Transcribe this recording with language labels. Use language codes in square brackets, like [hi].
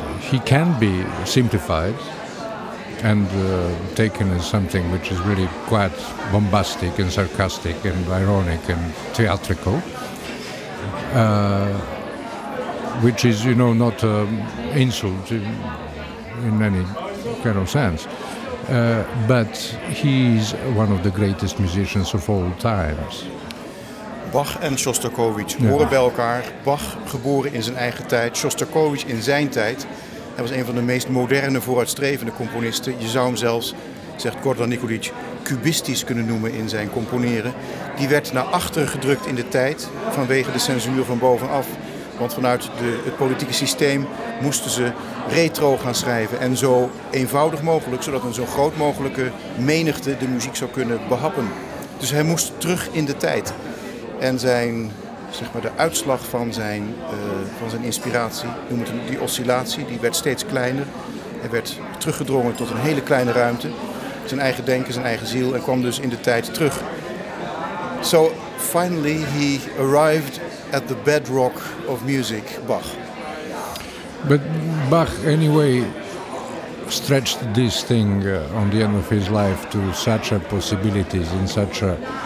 [en] He can be simplified and taken as something which is really quite bombastic and sarcastic and ironic and theatrical, which is, you know, not an insult in any kind of sense. But he's one of the greatest musicians of all times. [nl] Bach en Shostakovich horen bij elkaar. Bach geboren in zijn eigen tijd, Shostakovich in zijn tijd. Hij was een van de meest moderne, vooruitstrevende componisten. Je zou hem zelfs, zegt Gordon Nikolic, cubistisch kunnen noemen in zijn componeren. Die werd naar achteren gedrukt in de tijd vanwege de censuur van bovenaf. Want vanuit het politieke systeem moesten ze retro gaan schrijven. En zo eenvoudig mogelijk, zodat een zo groot mogelijke menigte de muziek zou kunnen behappen. Dus hij moest terug in de tijd. En zijn, zeg maar, de uitslag van zijn inspiratie, die oscillatie, die werd steeds kleiner. Hij werd teruggedrongen tot een hele kleine ruimte. Zijn eigen denken, zijn eigen ziel. En kwam dus in de tijd terug. [en] So, finally he arrived at the bedrock of music, Bach. But Bach, anyway, stretched this thing on the end of his life to such a possibilities in such a